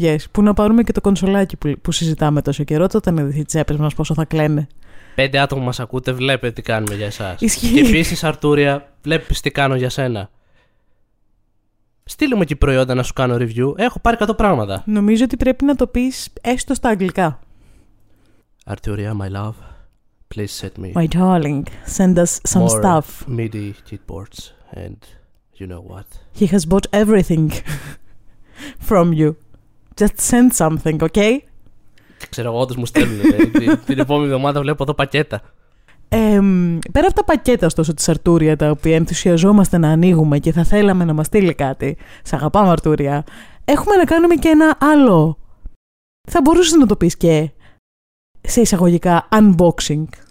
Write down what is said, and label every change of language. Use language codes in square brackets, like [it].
[en] Yes, [el] που να πάρουμε και το κονσολάκι που συζητάμε τόσο καιρό, τότε να δεις οι τσέπες μας πόσο θα κλαίνε. 5 άτομα μας ακούτε, βλέπετε τι κάνουμε για εσάς. Ισχύει. Και επίσης, Αρτούρια, βλέπεις τι κάνω για σένα. Στείλουμε και προϊόντα να σου κάνω review. Έχω πάρει 100 πράγματα. Νομίζω ότι πρέπει να το πεις έστω στα αγγλικά. [en] Αρτούρια, my love, please set me. My darling, send us some more stuff. MIDI keyboards and you know what. He has bought everything from you. Just send something, okay? [el] Ξέρω εγώ, όντως μου στέλνουν. την επόμενη εβδομάδα βλέπω εδώ πακέτα. Πέρα από τα πακέτα, ωστόσο, της Αρτούρια, τα οποία ενθουσιαζόμαστε να ανοίγουμε και θα θέλαμε να μας στείλει κάτι. Σ' αγαπάμε, Αρτούρια. Έχουμε να κάνουμε και ένα άλλο. Θα μπορούσες να το πεις και σε εισαγωγικά unboxing.